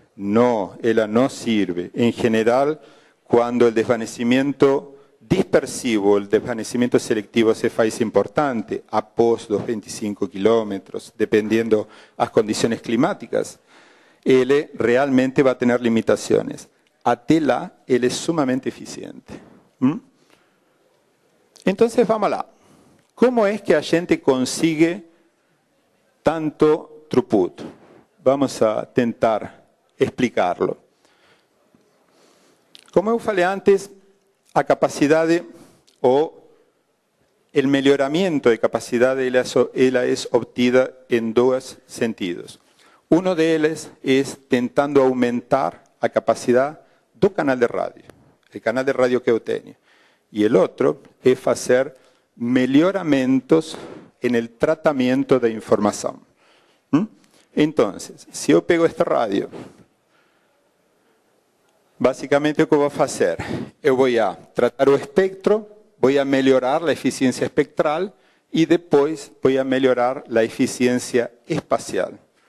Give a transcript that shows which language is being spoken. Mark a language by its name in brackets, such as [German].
[Spanish] No, ella no sirve. En general, cuando el desvanecimiento dispersivo, el desvanecimiento selectivo se hace importante, a pos 225 kilómetros, dependiendo las condiciones climáticas, él realmente va a tener limitaciones. [Portuguese] Até lá, [Spanish] él es sumamente eficiente. Entonces, vamos lá. ¿Cómo es que la gente consigue tanto throughput? Vamos a intentar explicarlo. [Portuguese] Como eu falei antes, a capacidade ou o melhoramento de capacidade ela é obtida em dois sentidos. Um deles é tentando aumentar a capacidade do canal de rádio, o canal de rádio que eu tenho. E o outro é fazer melhoramentos no tratamento da informação. [Spanish] Entonces, si yo pego esta radio, básicamente, ¿qué voy a hacer? Yo voy a tratar el espectro, voy a mejorar la eficiencia espectral y después voy a mejorar la eficiencia espacial.